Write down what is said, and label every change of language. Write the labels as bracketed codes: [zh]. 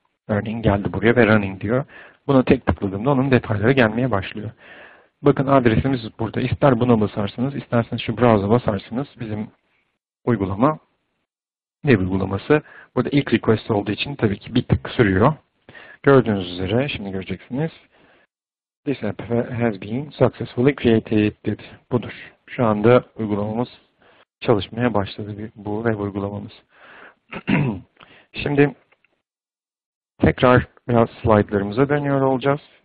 [tr] Running geldi buraya ve running diyor. Buna tek tıkladığımda onun detayları gelmeye başlıyor. Bakın adresimiz burada. İster buna basarsınız, isterseniz şu browser'a basarsınız. Bizim uygulama ne uygulaması? Burada ilk request olduğu için tabii ki bir tık sürüyor. Gördüğünüz üzere, şimdi göreceksiniz. [en] This app has been successfully created dedi. [tr] Budur. Şu anda uygulamamız çalışmaya başladı. Bu web uygulamamız. Şimdi tekrar biraz slaytlarımıza dönüyor olacağız.